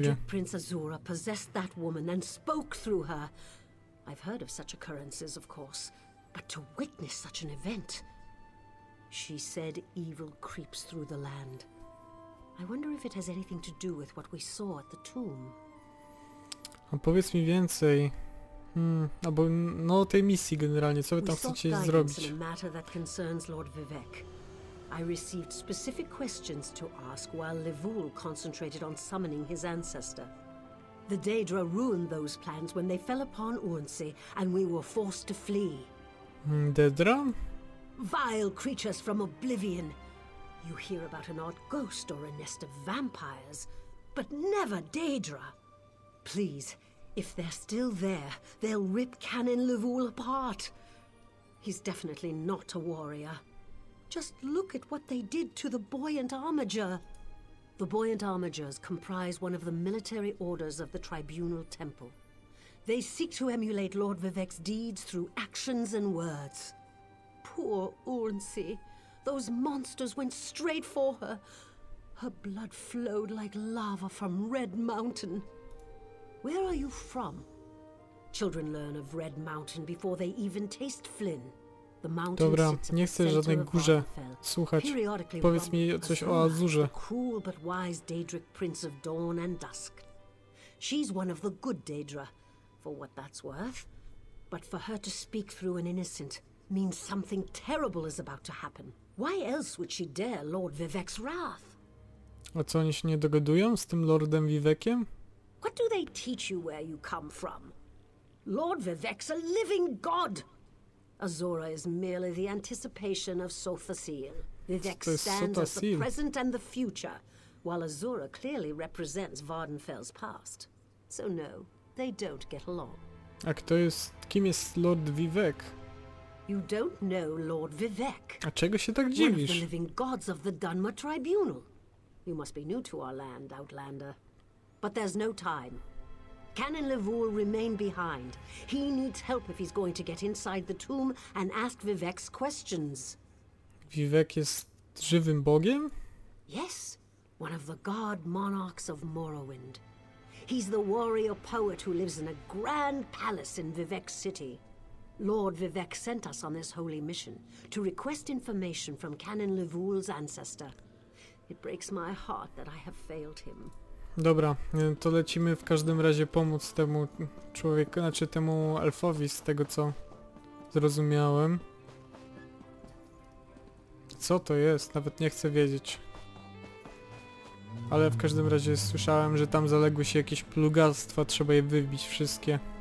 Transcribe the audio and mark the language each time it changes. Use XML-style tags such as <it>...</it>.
<en>The Daedric prince Azura possessed that woman and spoke through her. I've heard of such occurrences, of course, but to witness such an event. She said evil creeps through the land. I wonder if it has anything to do with what we saw at the tomb.</en> <pl>A powiedz mi więcej. Albo no o tej misji generalnie, co wy tam chcecie zrobić?</pl> <en>A matter that concerns Lord Vivec. I received specific questions to ask while Levul concentrated on summoning his ancestor. The Daedra ruined those plans when they fell upon Urnsi and we were forced to flee. Daedra? Vile creatures from oblivion. You hear about an odd ghost or a nest of vampires, but never Daedra. Please, if they're still there, they'll rip Canon Levul apart. He's definitely not a warrior. Just look at what they did to the Buoyant Armager. The Buoyant Armagers comprise one of the military orders of the Tribunal Temple. They seek to emulate Lord Vivec's deeds through actions and words. Poor Urnsi. Those monsters went straight for her. Her blood flowed like lava from Red Mountain. Where are you from? Children learn of Red Mountain before they even taste Flynn.</en> <pl>Dobra, nie chcę żadnej górze słuchać. Powiedz mi coś o Azurze.</pl> <en>Cruel but wise Daedric prince of dawn and dusk. She's one of the good Daedra, for what that's worth. But for her to speak through an innocent means something terrible is about to happen. Why else would she dare Lord Vivec's wrath?</en> <pl>A co, oni się nie dogadują z tym Lordem Vivekiem?</pl> <en>What do they teach you where you come from? Lord Vivec's a living god! Azura is merely the anticipation of Sothaseel. Vivec stands as the present and the future, while Azura clearly represents Vardenfell's past. So no, they don't get along.</en> <pl>A kto jest, kim jest Lord Vivec?</pl> <en>You don't know Lord Vivec.</en> <pl>A czego się tak dziwisz?</pl> <en>One of the living gods of the Dunmer Tribunal. You must be new to our land, Outlander. But there's no time. Canon Levul remain behind. He needs help if he's going to get inside the tomb and ask Vivec's questions.</en> <pl>Vivek jest żywym bogiem?</pl> <en>Yes, one of the god monarchs of Morrowind. He's the warrior poet who lives in a grand palace in Vivek City. Lord Vivek sent us on this holy mission to request information from Canon Levul's ancestor. It breaks my heart that I have failed him.</en> <pl>Dobra, to lecimy w każdym razie pomóc temu człowiekowi, znaczy temu elfowi, z tego co zrozumiałem. Co to jest? Nawet nie chcę wiedzieć. Ale w każdym razie słyszałem, że tam zaległy się jakieś plugastwa, trzeba je wybić wszystkie.</pl>